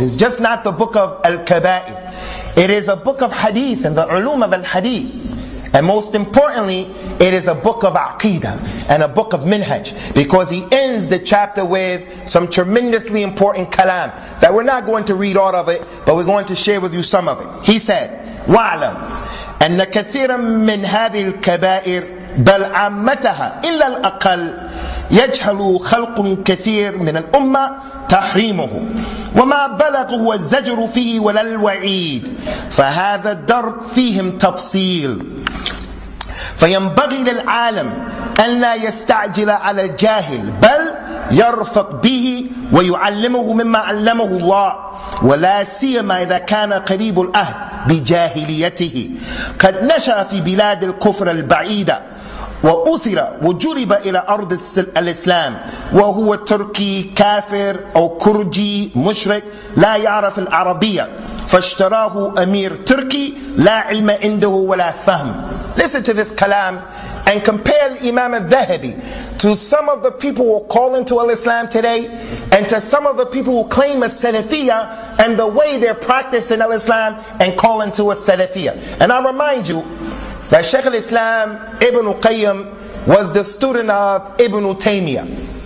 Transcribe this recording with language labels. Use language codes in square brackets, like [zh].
[en] It is just not the book of al-Kaba'i. It is a book of hadith and the ulum of al-hadith. And most importantly, it is a book of aqidah and a book of minhaj, because he ends the chapter with some tremendously important kalam that we're not going to read all of it, but we're going to share with you some of it. He said, [ar] "Wa'alam anna kathiran min hadhihi al-kaba'ir bal 'ammataha illa al-aqal yajhalu khalqun kathir min al-umma تحريمه وما بلغ هو الزجر فيه ولا الوعيد فهذا الدرب فيهم تفصيل فينبغي للعالم أن لا يستعجل على الجاهل بل يرفق به ويعلمه مما علمه الله ولا سيما إذا كان قريب الأهل بجاهليته قد نشأ في بلاد الكفر البعيدة وأسر وجرب إلى أرض الإسلام وهو تركي كافر أو كردي مشرك لا يعرف العربية فاشتراه أمير تركي لا علم عنده ولا فهم. [en] Listen to this كلام and compare Imam al-Dhahabi to some of the people who call into al-Islam today and to some of the people who claim a Salafiyya and the way they're practicing al-Islam and call into a Salafiyya. And I remind you that Shaykh al-Islam Ibn Qayyim was the student of Ibn Taymiyyah.